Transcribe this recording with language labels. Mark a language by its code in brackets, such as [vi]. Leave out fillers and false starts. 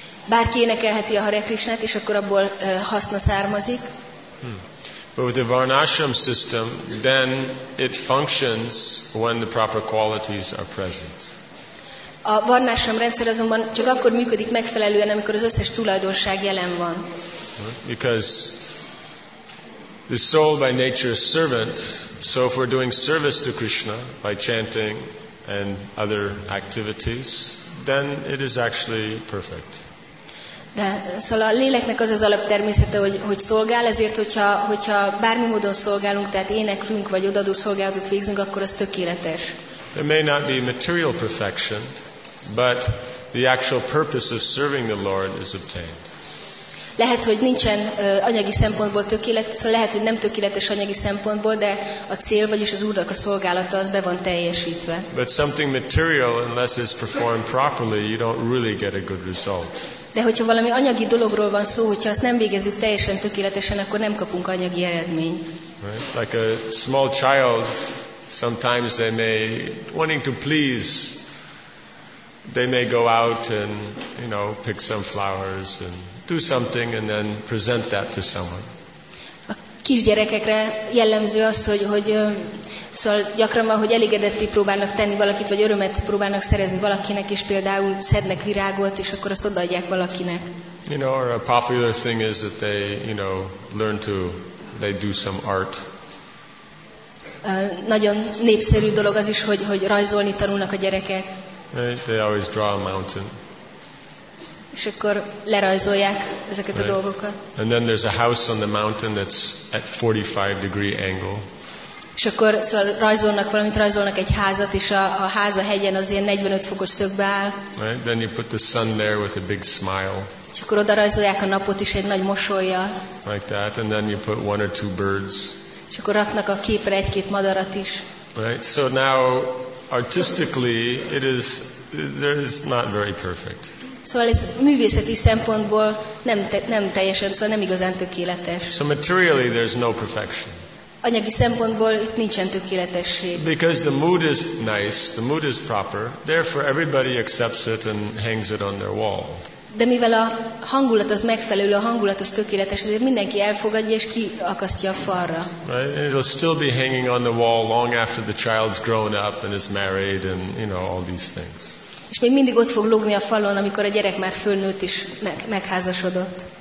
[hu] Bárki énekelheti a Hare Krishnát, és akkor abból haszna származik. [en] But with the Varnashram system, then it functions when the proper qualities are present. [hu] A Varnashram rendszer azonban csak akkor működik megfelelően, amikor az összes tulajdonság jelen van. [en] Because the soul by nature is servant, so if we're doing service to Krishna by chanting and other activities, then it is actually perfect. [hu] De szóval a léleknek az az alaptermészete, hogy szolgál, ezért hogyha bármi módon szolgálunk, tehát éneklünk vagy odaadó szolgálatot végzünk, akkor az tökéletes. [en] There may not be material perfection, but the actual purpose of serving the Lord is obtained. [hu] Lehet, hogy nincsen anyagi szempontból tökéletes, szóval lehet, hogy nem tökéletes anyagi szempontból, de a cél, vagyis az Úrnak a szolgálata, az be van teljesítve. [en] But something material, unless it's performed properly, you don't really get a good result. De hogyha valami anyagi dologról van szó, hogyha azt nem végezzük teljesen tökéletesen, akkor nem kapunk anyagi eredményt. Right? Like a small child, sometimes they may, wanting to please, they may go out and, you know, pick some flowers and do something and then present that to someone. [hu] A kisgyerekekre jellemző az, hogy szóval gyakran van, hogy elégedetté próbálnak tenni valakit, vagy örömet próbálnak szerezni valakinek, és például szednek virágot, és akkor azt odaadják valakinek. [en] You know, or a popular thing is that they, you know, learn to, they do some art. [hu] Nagyon népszerű dolog az is, hogy rajzolni tanulnak a gyerekek. [en] They always draw a mountain. [hu] És akkor lerajzolják ezeket a dolgokat. [en] And then there's a house on the mountain that's at 45 degree angle. [hu] És akkor szóval rajzolnak egy házat, és a ház a hegyen az ilyen 45 fokos szögbe áll. [en] Right? Then you put the sun there with a big smile. [hu] És akkor oda rajzolják a napot is egy nagy mosollyal. [en] Like that. And then you put one or two birds. [hu] És akkor raknak a képre egy-két madarat is. [en] Right? So now, artistically, it is there's not very perfect. [hu] Szóval ez művészeti szempontból nem teljesen, szóval nem igazán tökéletes. [en] So materially there's no perfection. [hu] Anyagi szempontból itt nincsen tökéletesség. [en] Because the mood is nice, the mood is proper, therefore everybody accepts it and hangs it on their wall. [hu] De mivel a hangulat az megfelelő, a hangulat az tökéletes, ezért mindenki elfogadja és kiakasztja a falra. [en] Right? And it'll still be hanging on the wall long after the child's grown up and is married and, you know, all these things. [hu] És még mindig ott fog lógni a falon, amikor a gyerek már fölnőtt és megházasodott.